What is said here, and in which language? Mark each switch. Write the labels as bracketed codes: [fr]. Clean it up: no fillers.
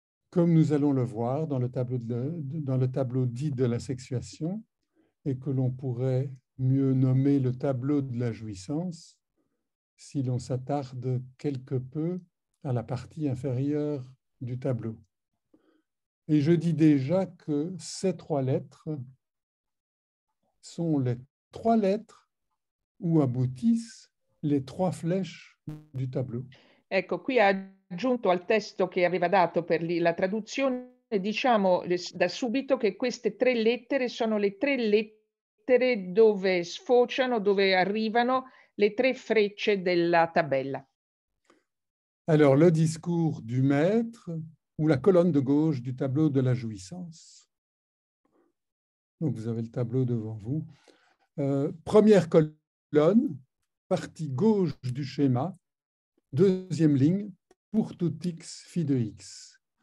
[fr] Comme nous allons le voir dans le tableau dit de la sexuation, et que l'on pourrait mieux nommer le tableau de la jouissance, si l'on s'attarde quelque peu à la partie inférieure du tableau. Et je dis déjà que ces trois lettres sont les trois lettres où aboutissent les trois flèches du tableau. [it] Ecco, qui aggiunto al testo che aveva dato per la traduzione, diciamo da subito che queste tre lettere sono le tre lettere dove sfociano, dove arrivano le tre frecce della tabella. [fr] Alors, le discours du maître, ou la colonne de gauche du tableau de la jouissance. Donc, vous avez le tableau devant vous. Première colonne, partie gauche du schéma, deuxième ligne, pour tout x, phi de x.